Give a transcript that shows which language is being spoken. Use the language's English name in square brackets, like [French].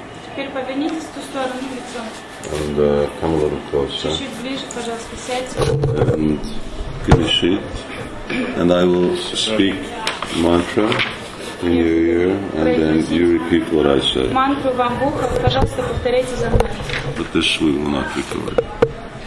[Russian] Теперь повернитесь в ту сторону лицом. [English] And come a little closer. [Russian] Чуть ближе, пожалуйста, сядьте. [English] And give a sheet. And I will speak mantra in your ear, and then you repeat what I say. [Russian] Мантру вам в ухо, пожалуйста, повторяйте за мной. [English] But this we will not record.